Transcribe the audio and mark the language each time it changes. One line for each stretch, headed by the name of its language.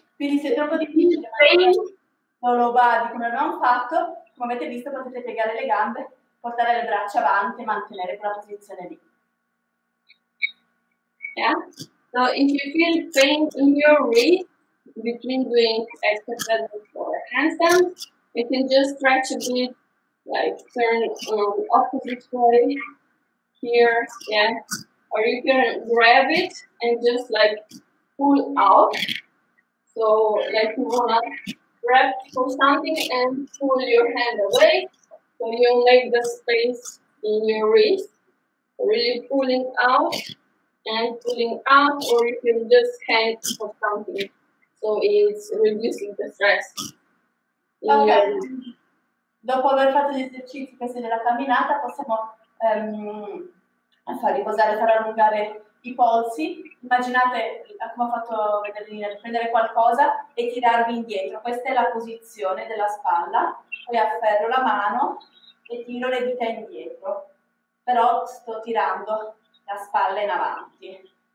Italian: Quindi se è troppo difficile,
English: lower body
Italian: come abbiamo fatto, come avete visto potete piegare le gambe, portare le braccia avanti e mantenere quella posizione lì.
English: Yeah? So if you feel pain in your wrist between doing exercises for a handstand, you can just stretch a bit, like turn opposite way here, yeah. Or you can grab it and just like pull out. So like you wanna grab for something and pull your hand away. So you make the space in your wrist, really pulling out. And pulling up, or you can just hang for something, so it's reducing the stress. Okay.
Italian: Dopo aver fatto gli esercizi presi nella camminata, possiamo far riposare, far allungare i polsi. Immaginate, come ho fatto vedere, prendere qualcosa e tirarvi indietro. Questa è la posizione della spalla. Poi afferro la mano e tiro le dita indietro, però sto tirando la spalla in avanti.